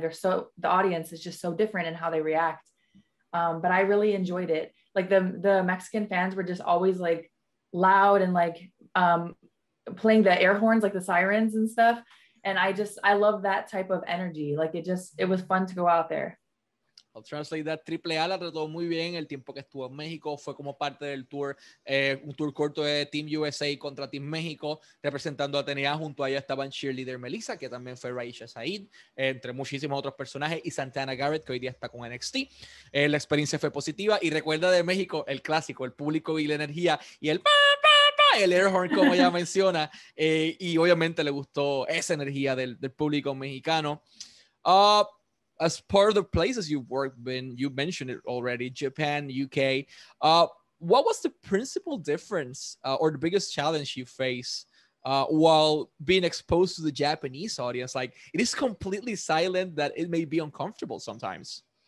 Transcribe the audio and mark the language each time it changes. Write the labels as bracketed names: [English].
[English] The audience is just so different in how they react. But I really enjoyed it. Like the Mexican fans were just always like loud and like, playing the air horns, like the sirens and stuff. And I love that type of energy. Like it was fun to go out there. I'll translate that. [Spanish] Triple A la trató muy bien el tiempo que estuvo en México. Fue como parte del tour, un tour corto de Team USA contra Team México, representando a TNA. Junto a ella estaban cheerleader Melissa, que también fue Raisha Said, entre muchísimos otros personajes, y Santana Garrett, que hoy día está con NXT. La experiencia fue positiva. Y recuerda de México, el clásico, el público y la energía, y el el air horn, como ya menciona, y obviamente le gustó esa energía del público mexicano. [English] As part of the places you've worked in, you mentioned it already, Japan, UK. What was the principal difference or the biggest challenge you face while being exposed to the Japanese audience? Like, it is completely silent, that it may be uncomfortable sometimes.